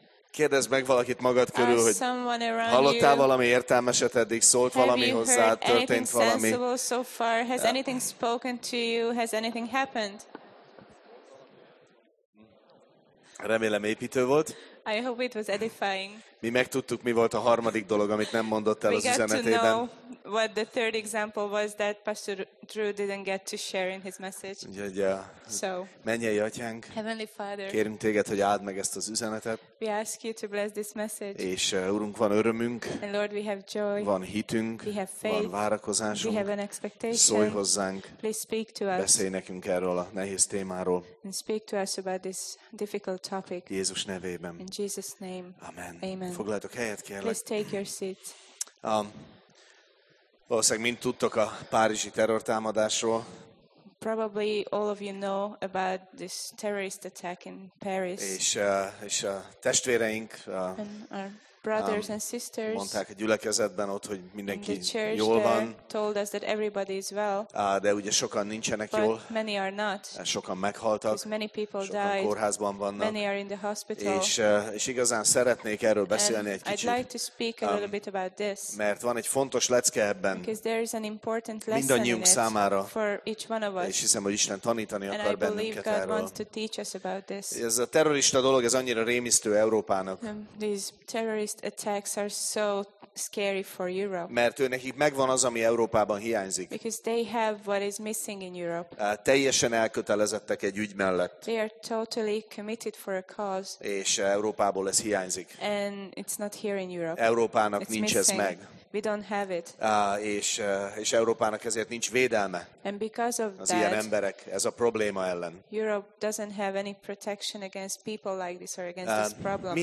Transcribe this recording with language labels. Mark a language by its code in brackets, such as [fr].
[hu] Kérdezz meg valakit magad körül, hogy hallottál valami értelmeset eddig, szólt valami hozzád, történt valami? [en] Has anything spoken to you? Has anything happened? [hu] Remélem építő volt. [en] I hope it was edifying. [hu] Mi megtudtuk, mi volt a harmadik dolog, amit nem mondott el [en] we [hu] az üzenetében. [en] We got to know what the third example was that Pastor Drew didn't get to share in his message. So, [hu] mennyei atyánk, [en] Heavenly Father, [hu] kérünk téged, hogy áld meg ezt az üzenetet. [en] We ask you to bless this message. [hu] És Urunk, van örömünk. [en] And Lord, we have joy. [hu] Van hitünk. [en] We have faith. [hu] Van várakozásunk. [en] We have an expectation. [hu] Szólj hozzánk. [en] Please speak to us. [hu] Beszélj nekünk erről a nehéz témáról. [en] And speak to us about this difficult topic. [hu] Jézus nevében. [en] In Jesus' name. [hu] Amen. [en] Amen. [hu] Foglaljatok helyet, kérlek. [en] Please take your seat. [hu] Valószínűleg mind tudtok a párizsi terrortámadásról. [en] Probably all of you know about this terrorist attack in Paris. [hu] És a testvéreink, [en] our brothers and sisters, [hu] mondták a gyülekezetben ott, hogy mindenki jól van. [en] Told us that everybody is well. [hu] De ugye sokan nincsenek [en] but [hu] jól. [en] Many are not. [hu] Sokan meghaltak. [en] Because many people [hu] sokan [en] died. [hu] Kórházban vannak. [en] Many are in the hospital. [hu] És igazán szeretnék erről beszélni [en] and [hu] egy kicsit. [en] I'd like to speak a little bit about this. [hu] Mert van egy fontos lecke ebben. [en] Because there is an important lesson [hu] mindannyiunk [en] in it [hu] számára. [en] For each one of us. [hu] És hiszem, hogy Isten tanítani akar bennünket erről. [en] And I believe God wants to teach us about this. [hu] Ez a terrorista dolog, ez annyira rémisztő Európának. [en] Attacks are so scary for Europe. [hu] Mert őnekik megvan az, ami Európában hiányzik. [en] Because they have what is missing in Europe. [hu] Teljesen elkötelezettek egy ügy mellett. [en] They are totally committed for a cause. [hu] És Európából ez hiányzik. [en] And it's not here in Europe. [hu] Európának [en] it's [hu] nincs [en] missing. [hu] Ez meg. [en] We don't have it. [hu] És Európának ezért nincs védelme. [en] And because of [hu] az ilyen emberek, ez a probléma ellen. [en] Europe doesn't have any protection against people like this or against this problem.